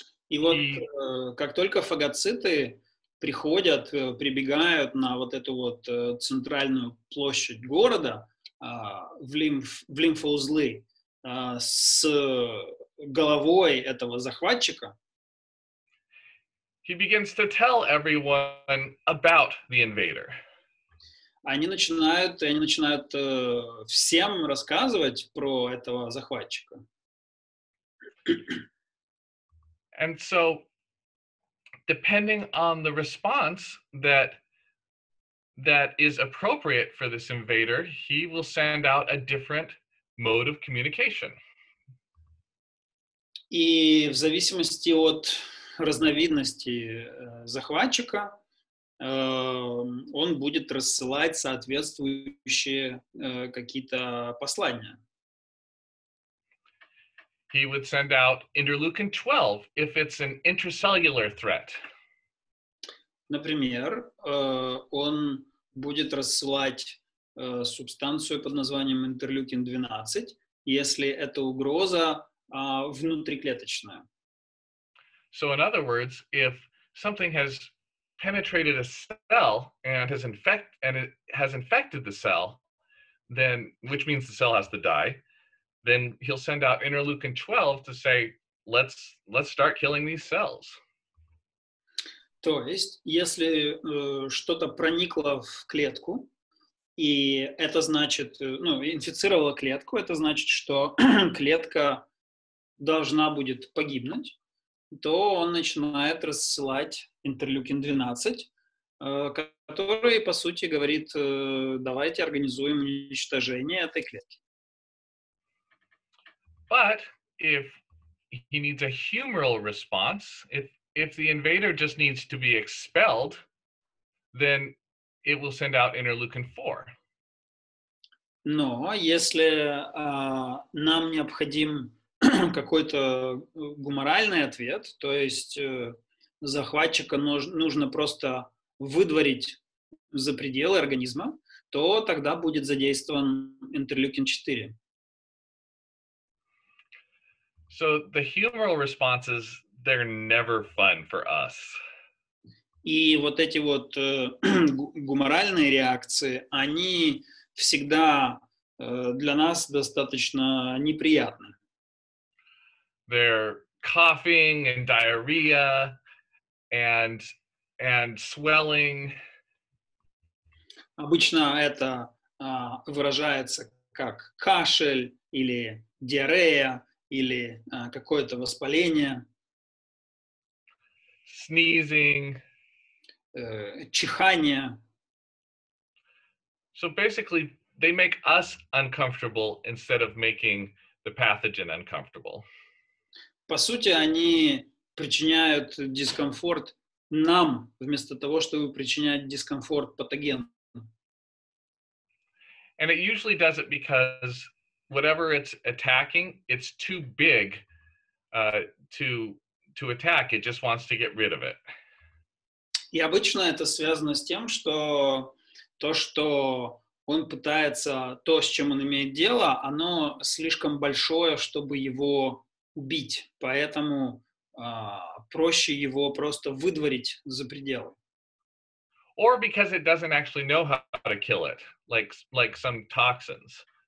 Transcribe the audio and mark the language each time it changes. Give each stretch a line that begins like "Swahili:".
Russian: И вот как только фагоциты прибегают на вот эту вот центральную площадь города, в лимфоузлы с головой этого захватчика.
English: He begins to tell everyone about the invader.
Russian: Они начинают всем рассказывать про этого захватчика.
English: And so, depending on the response that is appropriate for this invader, he will send out a different mode of communication.
Russian: И в зависимости от разновидности захватчика, он будет рассылать соответствующие какие-то послания.
English: He would send out interleukin 12 if it's an intracellular threat.
Russian: Например, он будет рассылать субстанцию под названием интерлюкин 12, если это угроза внутриклеточная.
English: So in other words, if something has penetrated a cell and it has infected the cell, then which means the cell has to die, then he'll send out interleukin 12 to say, let's start killing these cells.
Russian: То есть, если что-то проникло в клетку, и это значит, ну, инфицировало клетку, это значит, что клетка должна будет погибнуть, то он начинает рассылать интерлюкин 12, который, по сути, говорит, давайте организуем уничтожение этой клетки.
English: But if he needs a humoral response, if the invader just needs to be expelled, then it will send out interleukin 4.
Russian: Но если нам необходим какой-то гуморальный ответ, то есть захватчика нужно просто выдворить за пределы организма, то тогда будет задействован интерлюкин 4.
English: So the humoral responses, they're never fun for us.
Russian: И вот эти вот гуморальные реакции, они всегда для нас достаточно неприятны.
English: They're coughing and diarrhea and swelling.
Russian: Обычно это выражается как кашель или диарея или какое-то воспаление.
English: Sneezing.
Russian: Чихание.
English: So basically, they make us uncomfortable instead of making the pathogen uncomfortable.
Russian: По сути, они причиняют дискомфорт нам, вместо того, чтобы причинять дискомфорт патогену.
English: And it usually does it because whatever it's attacking, it's too big to attack. It just wants to get rid of it.
Russian: И обычно это связано с тем, что то, что он пытается, то, с чем он имеет дело, оно слишком большое, чтобы его убить, поэтому проще его просто выдворить за пределы.
English: Or because it doesn't actually know how to kill it, like some toxins.